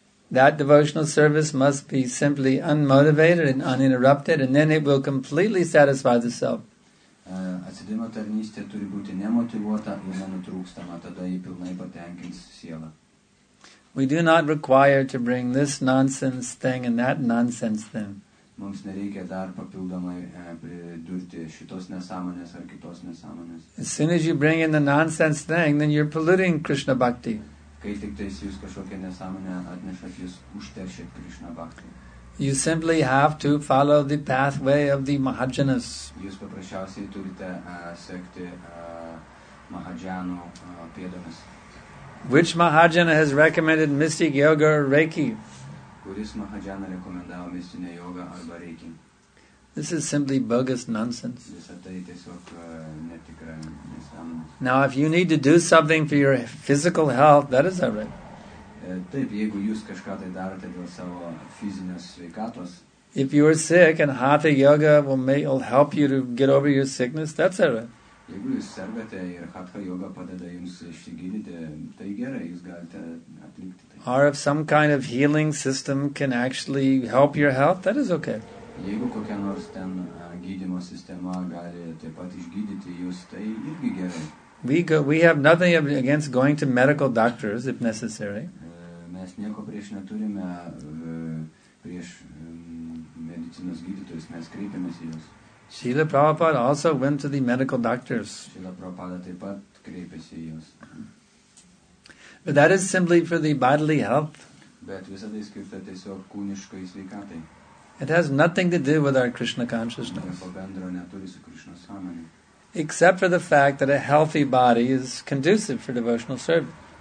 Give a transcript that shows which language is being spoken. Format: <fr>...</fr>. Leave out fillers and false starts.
<en>That devotional service must be simply unmotivated and uninterrupted, and then it will completely satisfy the self.</en> <lt>Atsidimo tarnystė turi būti nemotivuota ir nenutrūkstama, tada ji pilnai patenkins sielą.</lt> <en>We do not require to bring this nonsense thing and that nonsense thing.</en> <lt>Mums nereikia dar papildomai pridurti šitos nesąmonės ar kitos nesąmonės.</lt> <en>As soon as you bring in the nonsense thing, then you're polluting Krishna Bhakti.</en> <lt>Kai tik tais jūs kažkokią nesąmonę atnešat, jūs užteršit Krishna Bhakti.</lt> <en>You simply have to follow the pathway of the Mahajanas.</en> <lt>Jūs paprasčiausiai turite sekti Mahajanų pėdomis.</lt> <en>Which Mahajana has recommended mystic yoga or Reiki?</en> <lt>Kuris Mahajana rekomendavo mistinę jogą arba Reiki?</lt> <en>This is simply bogus nonsense.</en> <lt>Visa tai tiesiog netikra nesąmonė.</lt> <en>Now, if you need to do something for your physical health, that is all right.</en> <lt>Taip, jeigu jūs kažką tai darote dėl savo fizinės sveikatos.</lt> <en>If you are sick and Hatha yoga will help you to get over your sickness, that's all right.</en> <lt>Jeigu jūs sergate ir Hatha yoga padeda jums išsigydyti, tai gerai, jūs galite atlikti tai.</lt> <en>Or if some kind of healing system can actually help your health, that is okay.</en> <lt>Jeigu kokia nors ten gydymo sistema gali taip pat išgydyti jūs, tai irgi gerai.</lt> <en>We have nothing against going to medical doctors if necessary.</en> <lt>Mes nieko prieš neturime prieš medicinos gydytojus, mes kreipiamės į juos.</lt> <en>Srila Prabhupada also went to the medical doctors.</en> <lt>Srila Prabhupada taip pat kreipėsi į juos.</lt> <en>But that is simply for the bodily health.</en> <lt>Bet visa tai skirta tiesiog kūniškai sveikatai.</lt> <en>It has nothing to do with our Krishna consciousness.</en> <lt>Nieko bendro neturi su Krishna sąmonė.</lt> <en>Except for the fact that a healthy body is conducive for devotional service.</en>